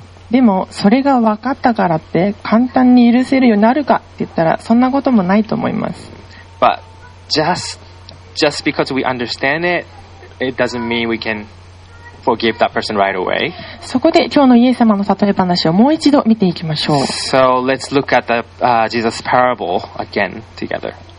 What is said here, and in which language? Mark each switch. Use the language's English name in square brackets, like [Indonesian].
[Japanese] でもそれが分かったからって簡単に許せるようになるかって言ったらそんなこともないと思います。 [English] But just because we understand it, it doesn't mean we can forgive that person right away. [Japanese] そこで今日のイエス様の例え話をもう一度見ていきましょう。 [English] So let's look at the Jesus parable again together.